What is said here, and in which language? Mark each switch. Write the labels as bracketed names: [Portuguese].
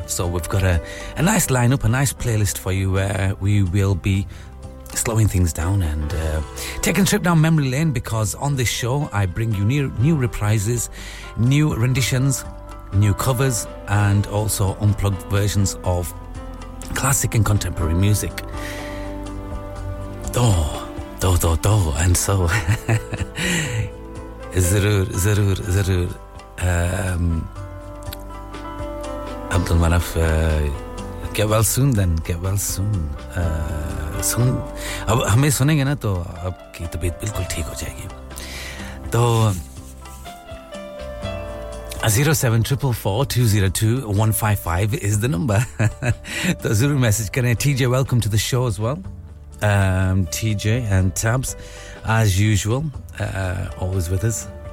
[English] So we've got a nice lineup, a nice playlist for you where we will be slowing things down and taking a trip down memory lane, because on this show I bring you new reprises, new renditions, new covers, and also unplugged versions of classic and contemporary music. Do, and so zarur Abdul Manaf, get well soon then, get well soon. [Hindi] सुन, अब हमें सुनेंगे ना तो आपकी तबीयत बिल्कुल ठीक हो जाएगी. [English] तो 07-444-202-155 is the number. [Hindi] तो जरूर मैसेज करें. [English] TJ, welcome to the show as well. TJ and Tabs, as usual, always with us.